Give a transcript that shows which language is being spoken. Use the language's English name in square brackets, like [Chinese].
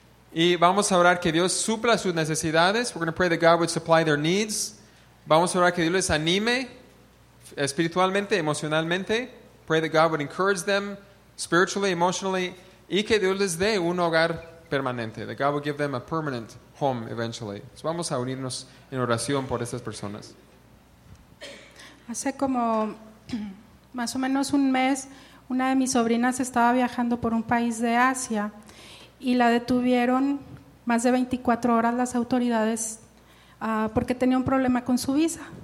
[Spanish] Y vamos a orar que Dios supla sus necesidades. [English] We're going to pray that God would supply their needs. [Spanish] Vamos a orar que Dios les anime espiritualmente, emocionalmente. [English] Pray that God would encourage them spiritually, emotionally. [Spanish] Y que Dios les dé un hogar permanente. [English] That God would give them a permanent home eventually. So [Spanish] vamos a unirnos en oración por estas personas. Hace como... más o menos un mes, una de mis sobrinas estaba viajando por un país de Asia y la detuvieron más de 24 horas las autoridades porque tenía un problema con su visa.